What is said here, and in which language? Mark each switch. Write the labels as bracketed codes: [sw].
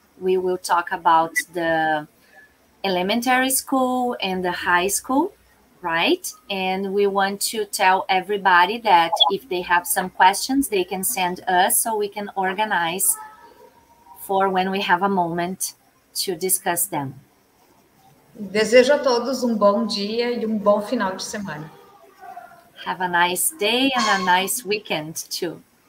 [en] We will talk about the elementary school and the high school, right? And we want to tell everybody that if they have some questions, they can send us so we can organize for when we have a moment to discuss them. [pt] Desejo a todos um bom dia e um bom final de semana. [en] Have a nice day and a nice weekend too.